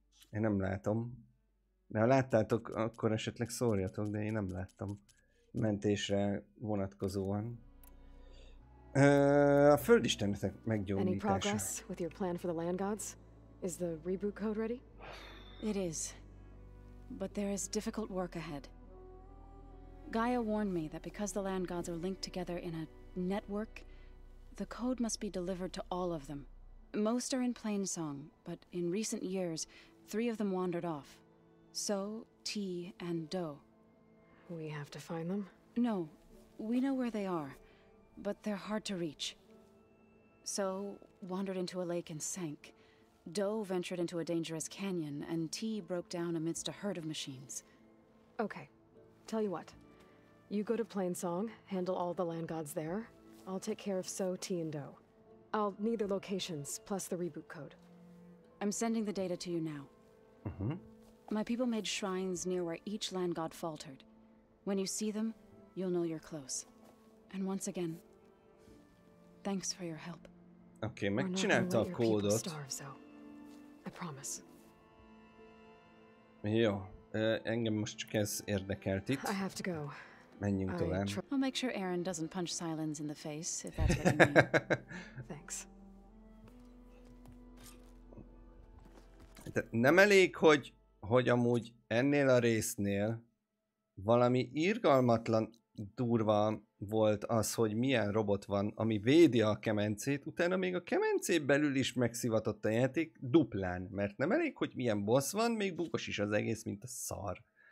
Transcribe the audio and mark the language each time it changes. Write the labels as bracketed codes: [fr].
[hu] Én nem látom. De ha láttátok, akkor esetleg szórjatok, de én nem láttam mentésre vonatkozóan. A földistenetek meggyógyítása. [en] Any progress with your plan for the land gods? Is the reboot code ready? It is. But there is difficult work ahead. Gaia warned me that because the land gods are linked together in a network, the code must be delivered to all of them. Most are in Plainsong, but in recent years, three of them wandered off. So, T, and Do. We have to find them? No, we know where they are, but they're hard to reach. So, wandered into a lake and sank. Do ventured into a dangerous canyon, and T broke down amidst a herd of machines. Okay, tell you what. You go to Plainsong, handle all the land gods there. I'll take care of So, T, and Do. I'll need their locations, plus the reboot code. I'm sending the data to you now. Mm-hmm. My people made shrines near where each land god faltered. When you see them, you'll know you're close. And once again, thanks for your help. [hu] Okay, megcsinálta a kódot. [en] I promise. [hu] Jó, engem most csak ez érdekelt itt. [en] I have to go. [hu] Menjünk tovább. [en] I'll make sure Aaron doesn't punch Silence in the face, if that's what you mean. Thanks. [hu] De nem elég, hogy amúgy ennél a résznél valami irgalmatlan durva volt az, hogy milyen robot van, ami védi a kemencét, utána még a kemencén belül is megszivatott a játék duplán, mert nem elég, hogy milyen boss van, még bukos is az egész, mint a szar.